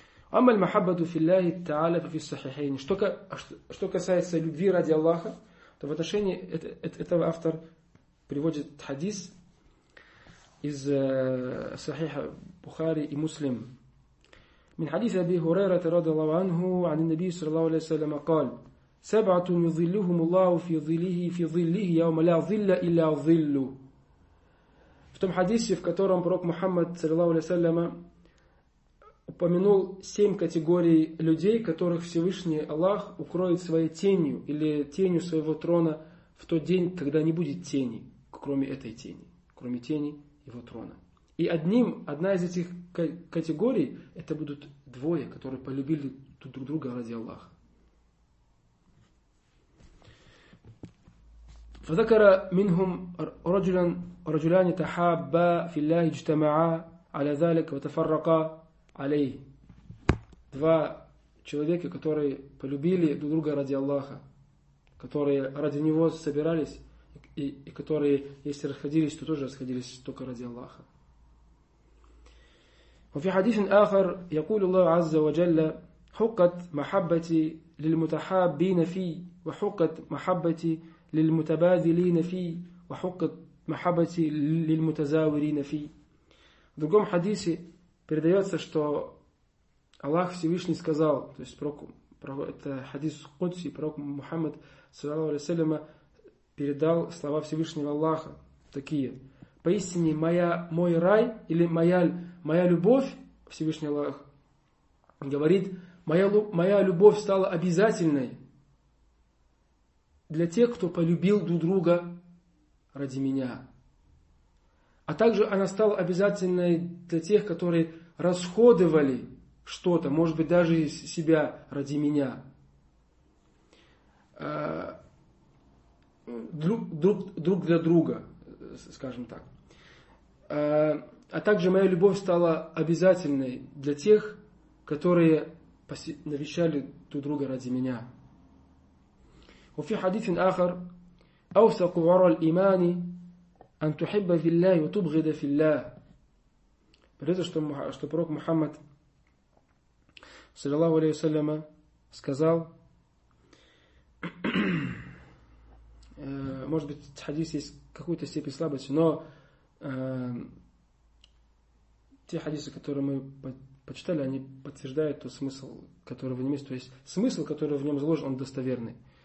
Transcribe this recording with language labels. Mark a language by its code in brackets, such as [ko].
[ar] Амма аль-махаббату филляхи тааля фи ас-сахихайн. [ru] Что касается любви ради Аллаха, то в отношении этого автор приводит хадис из сахиха Бухари и Муслим. [ar] Мин хадис Аби Хурайра радиаллаху анху ан ан-наби саллаллаху алейхи ва саллям قال: سبعة يظلهم الله في ظله في ظله يوم لا ظل إلا ظله. [ru] В том хадисе, в котором пророк Мухаммад саллаллаху алейхи ва саллям упомянул семь категорий людей, которых Всевышний Аллах укроет своей тенью или тенью своего трона в тот день, когда не будет тени, кроме этой тени, кроме тени его трона. И одна из этих категорий — это будут двое, которые полюбили друг друга ради Аллаха. [ar] فذكر منهم رجلا رجلان تحابا في الله اجتمعا على ذلك وتفرقا عليه. [ru] Два человека, которые полюбили друг друга ради Аллаха, которые ради него собирались и которые, если расходились, то тоже расходились только ради Аллаха. [ar] وفي حديث آخر يقول الله عز وجل: حقت محبتي للمتحابين في وحقت محبتي للمتبادلين في وحقت محبتي للمتزاورين في. [ru] В другом хадисе передается, что Аллах Всевышний сказал, то есть это хадис Кудси, пророк Мухаммад саллаллаху алейхи ва саллям передал слова Всевышнего Аллаха такие: поистине мой рай, или моя любовь, Всевышний Аллах говорит, моя любовь стала обязательной для тех, кто полюбил друг друга ради меня. А также она стала обязательной для тех, которые расходовали что-то, может быть, даже себя, ради меня. Друг для друга, скажем так. А также моя любовь стала обязательной для тех, которые навещали друг друга ради меня. [ar] وفي حديث آخر: أوثق ورى الإيمان أن تحب في الله وتبغض في الله. [ru] Это что пророк Мухаммад саллаллаху алейхи ва саллям сказал. Может быть, этот хадис есть какой-то степени слабости, но те хадисы, которые мы почитали, они подтверждают тот смысл, который в нем есть. То есть смысл, который в нем заложен, он достоверный.